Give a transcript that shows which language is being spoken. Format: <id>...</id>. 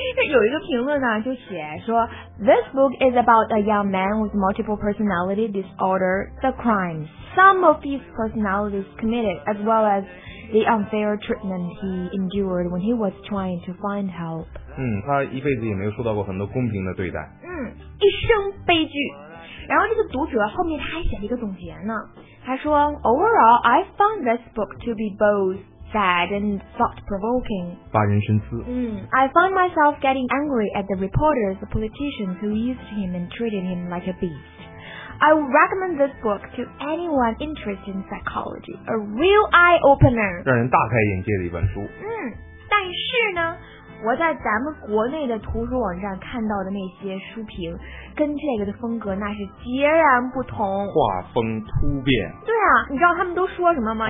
<zh>有一个评论呢，就写说</zh> <en>This book is about a young man with multiple personality disorder, the crimes some of his personalities committed, as well as the unfair treatment he endured when he was trying to find help.</en> <zh>嗯，他一辈子也没有受到过很多公平的对待。嗯，一生悲剧。然后这个读者后面他还写了一个总结呢，他说</zh> <en>Overall, I found this book to be both. Sad and thought-provoking.</en> <zh>发人深思。</zh> <en>嗯、I find myself getting angry at the reporters, the politicians who used him and treated him like a beast. I would recommend this book to anyone interested in psychology. A real eye-opener.</en> <zh>让人大开眼界的一本书。嗯，但是呢，我在咱们国内的图书网站看到的那些书评，跟这个的风格那是截然不同。画风突变。对啊，你知道他们都说什么吗？</zh>